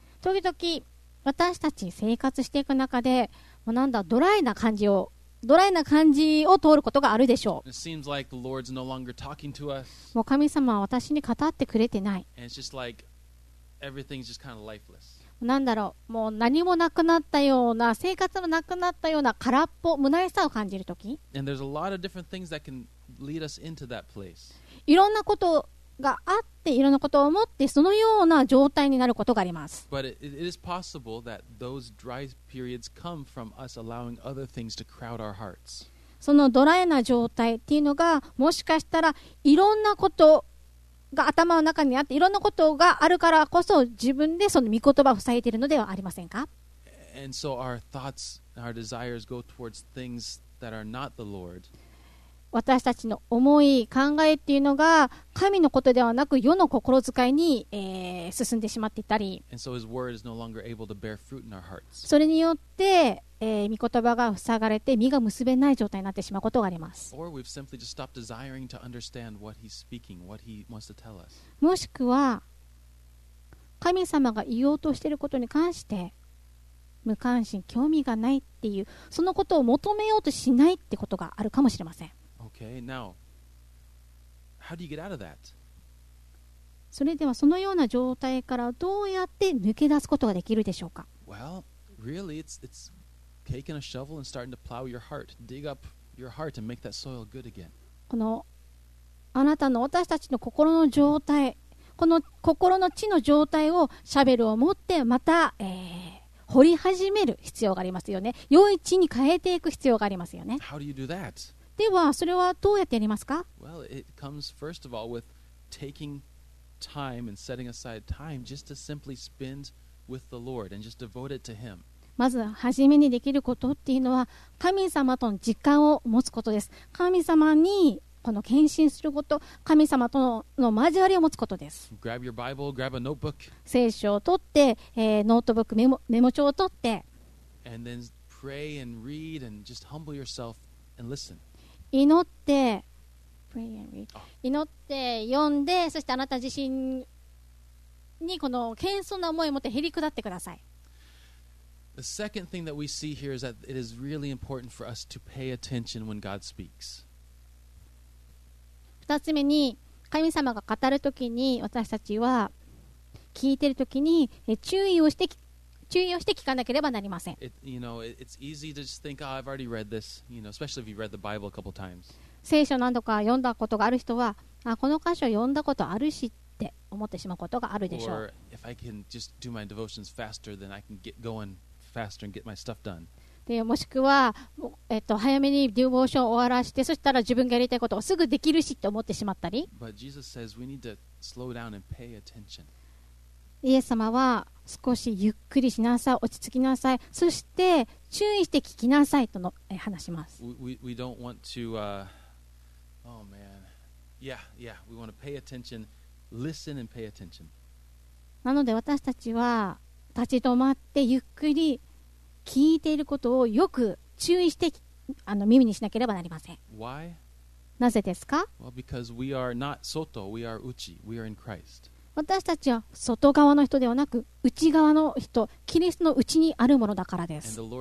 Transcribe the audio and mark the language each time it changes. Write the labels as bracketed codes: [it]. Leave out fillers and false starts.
[ja] 時々私たち生活していく中で、もうなんだ、ドライな感じを通ることがあるでしょう。 [en] It seems like the Lord's no longer talking to us. [ja] もう神様は私に語ってくれてない。 [en] And it's just like everything's just kind of lifeless. [ja] なんだろう、もう何もなくなったような、生活もなくなったような空っぽ、虚しさを感じるとき、 [en] And there's a lot of different things that can lead us into that place. [ja] いろんなことがあって、いろんなことを思ってそのような状態になることがあります。 [en] But it is possible that those dry periods come from us allowing other things to crowd our hearts. [ja] そのドライな状態っていうのが、もしかしたらいろんなことが頭の中にあって、いろんなことがあるからこそ自分でその御言葉を塞いでいるのではありませんか。 [en] And so our thoughts, our desires go towards things that are not the Lord. [ja] 私たちの思い、考えっていうのが神のことではなく世の心遣いに、進んでしまっていたり、 [en] And so his word is no longer able to bear fruit in our hearts. [ja] それによって、御言葉が塞がれて実が結べない状態になってしまうことがあります。 [en] Or we've simply just stopped desiring to understand what he's speaking, what he wants to tell us. [ja] もしくは神様が言おうとしていることに関して無関心、興味がないっていう、そのことを求めようとしないってことがあるかもしれません。 [en] Okay, now, how do you get out of that? [ja] それではそのような状態からどうやって抜け出すことができるでしょうか。 [en] Well, really, it's taking a shovel and starting to plow your heart, dig up your heart and make that soil good again. [ja] このあなたの、私たちの心の状態、この心の地の状態をシャベルを持ってまた、掘り始める必要がありますよね。良い地に変えていく必要がありますよね。 [en] How do you do that? [ja] ではそれはどうやってやりますか。 [en] Well, it comes first of all with taking time and setting aside time just to simply spend with the Lord and just devote it to him. [ja] まず初めにできることっていうのは神様との時間を持つことです。神様にこの献身すること、神様との交わりを持つことです。 [en] Grab your Bible, grab a notebook. [ja] 聖書を取って、ノートブック、メモ帳を取って、 [en] and then pray and read and just humble yourself and listen. [ja] 祈って、 [en] pray and read. [ja] 祈って読んで、そしてあなた自身にこの謙遜な思いを持ってへり下ってください。 [en] The second thing that we see here is that it is really important for us to pay attention when God speaks. [ja] 二つ目に、神様が語るときに私たちは聞いているときに注意をして聞かなければなりません。 [en] You know, it's easy to just think, oh, I've already read this. You know, especially if you've read the Bible a couple times. [ja] 聖書何度か読んだことがある人は、あ、この箇所読んだことあるしって思ってしまうことがあるでしょう。 [en] Or if I can just do my devotions faster, then I can get going faster and get my stuff done. [ja] で、もしくは、早めにデボーションを終わらして、そしたら自分がやりたいことをすぐできるしって思ってしまったり。 [en] But Jesus says we need to slow down and pay attention. [ja] イエス様は少しゆっくりしなさい、落ち着きなさい、そして注意して聞きなさいとの話します。 [en] We don't want to, oh man, yeah, yeah, we want to pay attention, listen and pay attention. [ja] なので私たちは立ち止まってゆっくり聞いていることをよく注意して耳にしなければなりません。 [en] Why? [ja] なぜですか? [en] Well, because we are not soto, we are uchi, we are in Christ. [ja] 私たちは外側の人ではなく内側の人、キリストの内にあるものだからです。